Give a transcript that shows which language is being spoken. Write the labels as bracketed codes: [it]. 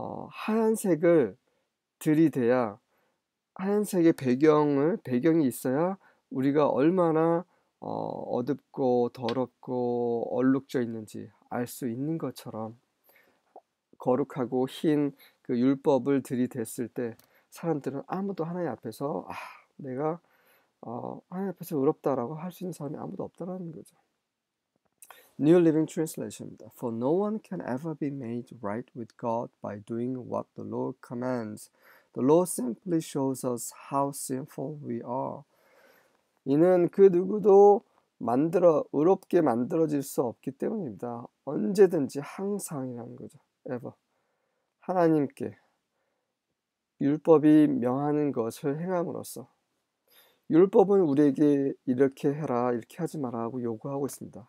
[ko] 하얀색을 들이대야 하얀색의 배경이 있어야 우리가 얼마나 어둡고 더럽고 얼룩져 있는지 알수 있는 것처럼 거룩하고 흰그 율법을 들이댔을 때 사람들은 아무도 하나님 앞에서 아, 내가 하나님 앞에서 의롭다라고 할수 있는 사람이 아무도 없다라는 거죠. [en] New Living Translation입니다. For no one can ever be made right with God by doing what the law commands. The law simply shows us how sinful we are. [ko] 이는 그 누구도 의롭게 만들어질 수 없기 때문입니다. 언제든지 항상이라는 거죠. [en] Ever. [ko] 하나님께 율법이 명하는 것을 행함으로써 율법은 우리에게 이렇게 해라, 이렇게 하지 마라 하고 요구하고 있습니다.